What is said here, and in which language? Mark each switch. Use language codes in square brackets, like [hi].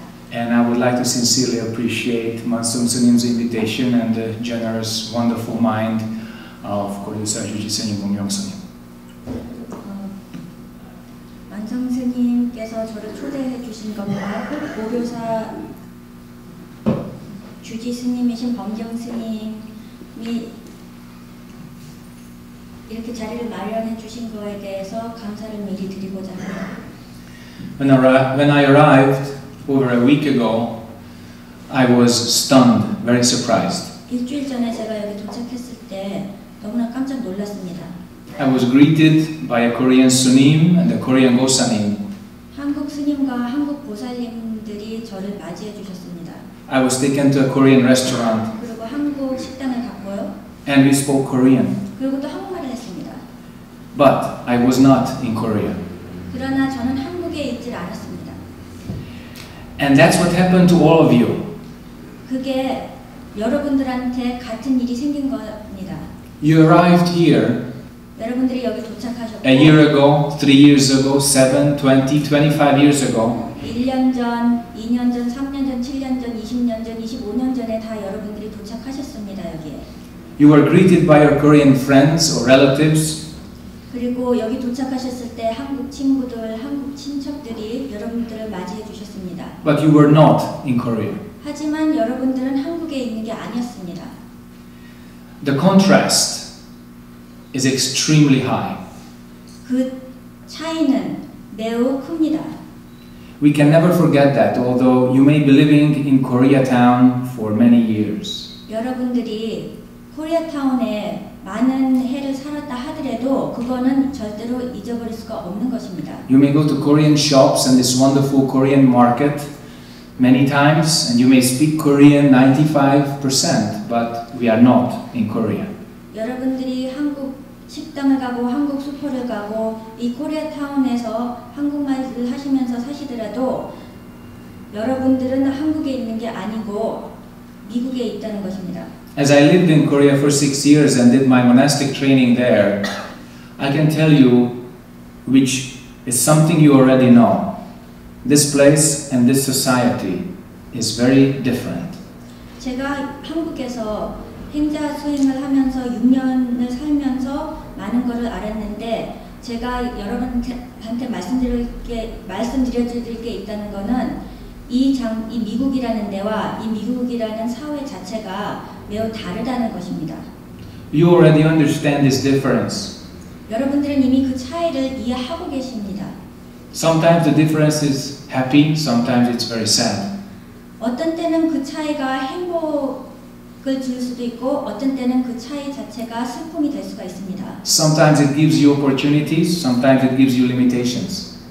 [en] And I would like to sincerely appreciate Mansoom Sunim's invitation and the generous, wonderful mind of Koryosa Juji Sunim Bum Yong Sunim. [ko] 선생님께서 저를 초대해 주신 것과 고교사 주지 스님이신 범경 스님이 이렇게 자리를 마련해 주신 것에 대해서 감사를 미리 드리고자 합니다. [en] When I arrived over a week ago, I was stunned, very surprised. [ko] 일주일 전에 제가 여기 도착했을 때 너무나 깜짝 놀랐습니다. [en] I was greeted by a Korean Sunim and a Korean Gosanim. [ko] 한국 스님과 한국 보살님들이 저를 맞이해 주셨습니다. [en] I was taken to a Korean restaurant. [ko] 그리고 한국 식당을 갔고요. [en] And we spoke Korean. [ko] 그리고 또 한국말을 했습니다. [en] But I was not in Korea. [ko] 그러나 저는 한국에 있질 않았습니다. [en] And that's what happened to all of you. [ko] 그게 여러분들한테 같은 일이 생긴 겁니다. [en] You arrived here. [ko] 여러분들이 여기 도착하셨고 [en] A year ago, 3 years ago, 7, 20, 25 years ago [ko] 1년 전, 2년 전, 3년 전, 7년 전, 20년 전, 25년 전에 다 여러분들이 도착하셨습니다, 여기에. [en] You were greeted by your Korean friends or relatives. [ko] 그리고 여기 도착하셨을 때 한국 친구들, 한국 친척들이 여러분들을 맞이해 주셨습니다. [en] But you were not in Korea. [ko] 하지만 여러분들은 한국에 있는 게 아니었습니다. [en] The contrast is extremely high. [ko] 그 차이는 매우 큽니다. [en] We can never forget that, although you may be living in Koreatown for many years. [ko] 여러분들이 코리아타운에 많은 해를 살았다 하더라도 그거는 절대로 잊어버릴 수가 없는 것입니다. [en] You may go to Korean shops and this wonderful Korean market many times, and you may speak Korean 95%, but we are not in Korea. [ko] 여러분들이 한국 식당을 가고 한국 슈퍼를 가고 이 코리아타운에서 한국말을 하시면서 사시더라도 여러분들은 한국에 있는 게 아니고 미국에 있다는 것입니다. [en] As I lived in Korea for 6 years and did my monastic training there, I can tell you which is something you already know. This place and this society is very different. [ko] 제가 한국에서 행자 수행을 하면서 6년을 살면서 많은 것을 알았는데 제가 여러분한테 말씀드려드릴 게 있다는 것은 이 미국이라는 데와 이 미국이라는 사회 자체가 매우 다르다는 것입니다. [en] You already understand this difference. [ko] 여러분들은 이미 그 차이를 이해하고 계십니다. [en] Sometimes the difference is happy, sometimes it's very sad. [ko] 어떤 때는 그 차이가 행복을 줄 수도 있고 어떤 때는 그 차이 자체가 슬픔이 될 수가 있습니다. [en] Sometimes it gives you opportunities, sometimes it gives you limitations.